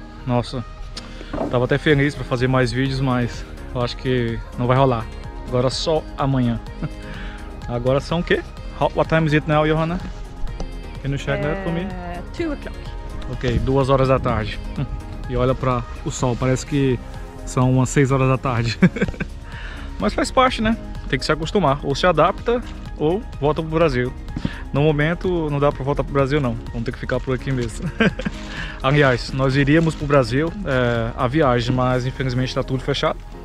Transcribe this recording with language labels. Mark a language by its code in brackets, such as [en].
[pt] Nossa, tava até feliz pra fazer mais vídeos, mas eu acho que não vai rolar. Agora só amanhã. Agora são o quê? [en] What time is it now, Johanna? Can you check that for me? 2 o'clock. [pt] Ok, 2 horas da tarde. E olha pra o sol, parece que são umas 6 horas da tarde. Mas faz parte, né? Tem que se acostumar. Ou se adapta ou volta pro Brasil. No momento não dá para voltar pro Brasil não, vamos ter que ficar por aqui mesmo. Aliás, nós iríamos pro Brasil a viagem, mas infelizmente está tudo fechado.